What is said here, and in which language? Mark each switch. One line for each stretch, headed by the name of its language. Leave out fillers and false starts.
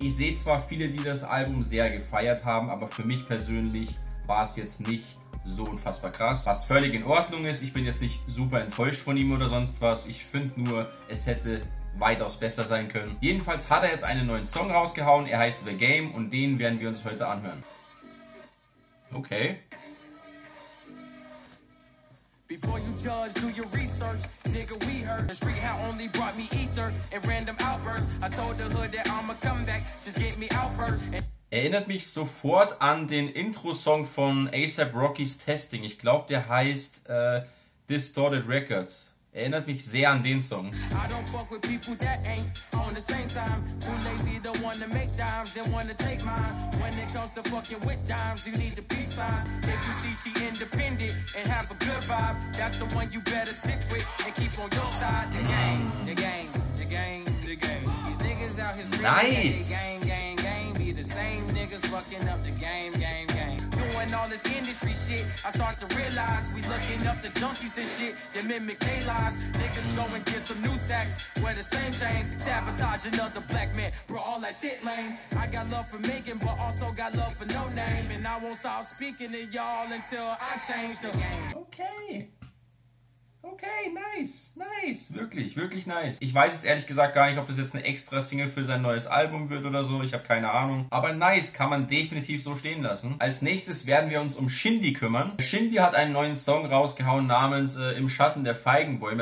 German: Ich sehe zwar viele, die das Album sehr gefeiert haben, aber für mich persönlich war es jetzt nicht so unfassbar krass, was völlig in Ordnung ist. Ich bin jetzt nicht super enttäuscht von ihm oder sonst was. Ich finde nur, es hätte weitaus besser sein können. Jedenfalls hat er jetzt einen neuen Song rausgehauen. Er heißt The Game und den werden wir uns heute anhören. Okay.
English: Before you judge, do your research. Nigga, we heard. The street had only brought me ether and random outbursts. I told the hood that I'ma come back. Just get me out first.
German: Erinnert mich sofort an den Intro-Song von A$AP Rocky's Testing. Ich glaube, der heißt Distorted Records. Erinnert mich sehr an den Song.
English: I don't fuck with people that ain't on the same time. Too lazy to wanna make dimes, then wanna take mine. When it comes to fucking with dimes, you need the peace sign. If you see she independent and have a good vibe, that's the one you better stick with and keep on your side. The game, the game, the game, the game. These niggas out here screaming, nice. The game, game, game. Be the same niggas fucking up the game, game, game. Doing all this industry shit, I start to realize we looking up the junkies and shit that mimic their lives. Niggas go and get some new tax, wear the same chains, sabotage another black man, bro, all that shit lame. I got love for Megan, but also got love for no name, and I won't stop speaking to y'all until I change the game. Okay. Okay, nice, nice.
German: Wirklich, wirklich nice. Ich weiß jetzt ehrlich gesagt gar nicht, ob das jetzt eine extra Single für sein neues Album wird oder so. Ich habe keine Ahnung. Aber nice, kann man definitiv so stehen lassen. Als nächstes werden wir uns um Shindy kümmern. Shindy hat einen neuen Song rausgehauen namens Im Schatten der Feigenbäume.